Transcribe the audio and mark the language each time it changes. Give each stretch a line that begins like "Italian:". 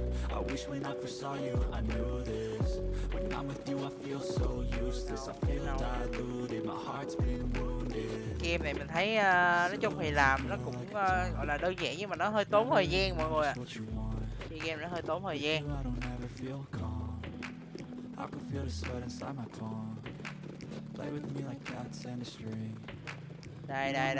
English: I wish when I first saw you, I knew this. When I'm with you, I feel so useless. I feel diluted, my heart's been wounded.
Vietnamese: Game này mình thấy nói chung thì làm nó cũng gọi là đơn giản, nhưng mà nó hơi tốn thời gian mọi người ạ. Chơi game nó hơi tốn thời gian.
English: I don't ever feel calm. I can feel the sweat inside my palm. Play with me like cats and a string. Đây.